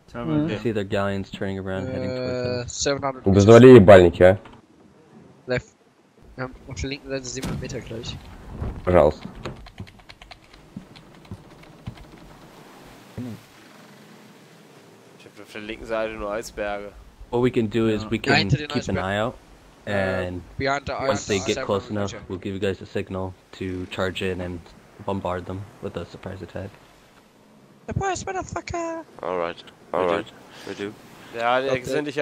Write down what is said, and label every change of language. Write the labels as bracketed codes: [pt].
[en] I see the galleons turning around, heading towards them. 700. [de] Das war die Ballnik, ja? [en] Left. [de] Wir haben auf der linken Seite 700 Meter gleich. Raus. Ich hab auf der linken Seite nur Eisberge. [en] What we can do is we can keep an eye out, and once they get close enough, we'll give you guys a signal to charge in and bombard them with a surprise attack. Surprise, motherfucker! Alright. We do.